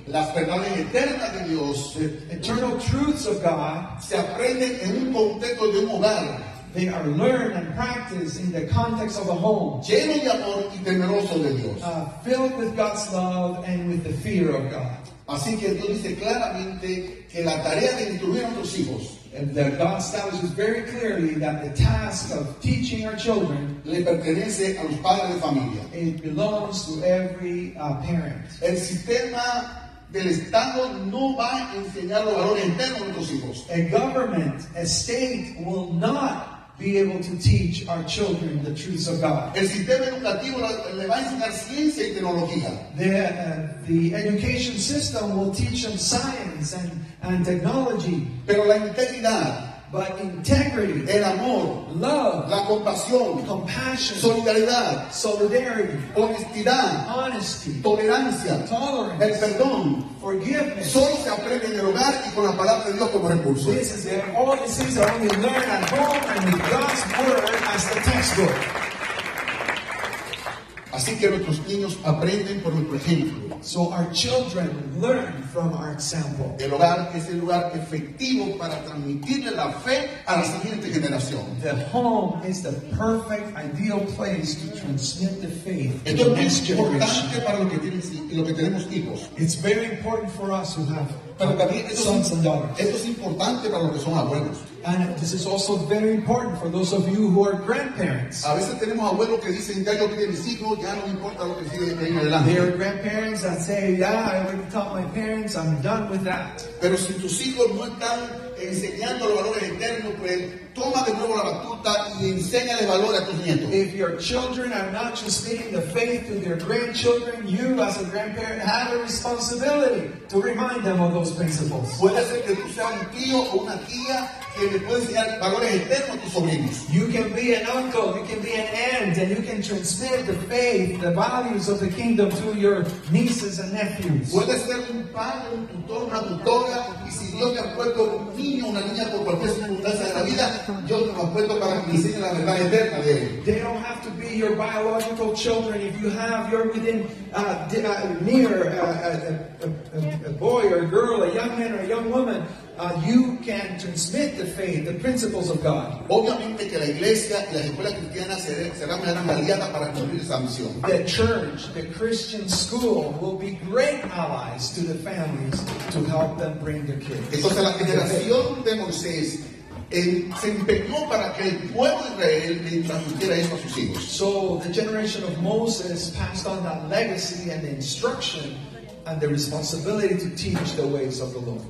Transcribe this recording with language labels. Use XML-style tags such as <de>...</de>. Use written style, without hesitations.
<es>Las verdades eternas de Dios,</es> <en>the eternal truths of God,</en> <es>se aprenden en un contexto de un hogar.</es> <en>They are learned and practiced in the context of a home.</en> <es>Lleno de amor y temeroso de Dios.</es> <en>Filled with God's love and with the fear of God.</en> <es>Así que Dios dice claramente que la tarea de instruir a nuestros hijos,</es> <en>and that God establishes very clearly that the task of teaching our children,</en> <es>le pertenece a los padres de familia.</es> <en>It belongs to every parent.</en> <es>El sistema del Estado no va a enseñar los valores internos a nuestros hijos.</es> <en>A government, a state, will not be able to teach our children the truths of God.</en> <es>El sistema educativo le va a enseñar ciencia y tecnología.</es> <en>The education system will teach them science and technology.</en> <es>Pero la integridad,</es> <en>but integrity,</en> <es>el amor,</es> <en>love,</en> <es>la compasión,</es> <en>compassion,</en> <es>solidaridad,</es> <en>solidarity,</en> <es>honestidad,</es> <en>honesty,</en> <es>tolerancia,</es> <en>tolerance,</en> <es>el perdón,</es> <en>forgiveness,</en> <es>solo se aprende en el hogar y con la palabra de Dios como recurso.</es> <en>This is there. All these things are only learned at home and with God's word as the textbook.</en> <es>Así que nuestros niños aprenden por nuestro ejemplo.</es> <en>So our children learn from our example.</en> <es>El hogar es el lugar efectivo para transmitirle la fe a la siguiente generación.</es> <en>The home is the perfect ideal place to transmit the faith.</en> <es>Esto es importante para lo que tenemos hijos.</es> <en>It's very important for us who have.</en> <es>Pero también esto,</es> <en>sons and daughters.</en> <es>Esto es importante para los que son abuelos.</es> <en>And this is also very important for those of you who are grandparents.</en> <es>A veces tenemos abuelos que dicen, ya yo crié mis hijos, ya no me importa lo que sigue de ahí adelante.</es> <en>There are grandparents that say, yeah, I already taught my parents, I'm done with that.</en> <es>Pero si tus hijos no están enseñando los valores eternos, pues toma de nuevo la batuta y enséñale valor a tus nietos.</es> <en>If your children are not transmitting the faith to their grandchildren, you as a grandparent have a responsibility to remind them of those principles.</en> <es>Puede ser que tú seas un tío o una tía que le puede enseñar valores eternos a tus sobrinos.</es> <en>You can be an uncle, you can be an aunt, and you can transmit the faith, the values of the kingdom to your nieces and nephews.</en> <es>Puede ser un padre, un tutor, una tutora, y si Dios te ha puesto un niño o una niña por cualquier circunstancia de la vida, yo te lo apuesto para que enseñe la verdad eterna de él.</es> <en>They don't have to be your biological children. If you have, you're within near a boy or a girl, a young man or a young woman, you can transmit the faith, the principles of God.</en> <es>Obviamente que la iglesia y las escuelas cristianas serán una gran aliada para cumplir esa misión.</es> <en>The church, the Christian school, will be great allies to the families to help them bring their kids.</en> <es>Entonces la generación de Moisés se empeñó para que el pueblo de Israel le transmitiera eso a sus hijos.</es> <en>So the generation of Moses passed on that legacy and the instruction and the responsibility to teach the ways of the Lord.</en>